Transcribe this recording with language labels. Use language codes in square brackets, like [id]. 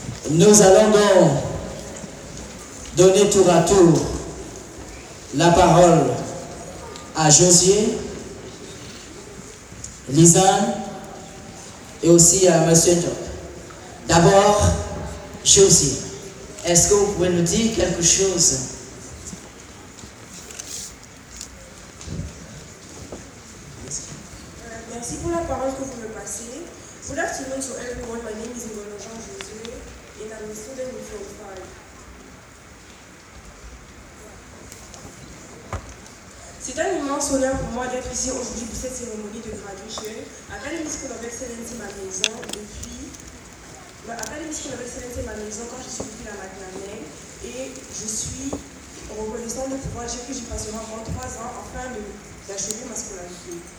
[fr] Nous allons donc donner tour à tour la parole à Josué, Lisanne et aussi à M. Top. D'abord, Josué, est-ce que vous pouvez nous dire quelque chose? Merci pour la parole que vous me passez. [en] Good afternoon to everyone. My name is Ngolo Jean-José and I'm a student with your five. [fr] C'est un immense honneur pour moi d'être ici aujourd'hui pour cette cérémonie de graduation. Academy School of Excellence est ma maison depuis. Academy School of Excellence est ma maison quand je suis venue à McLaren et je suis reconnaissante de pouvoir dire que j'y passerai encore 3 ans afin d'achever ma scolarité.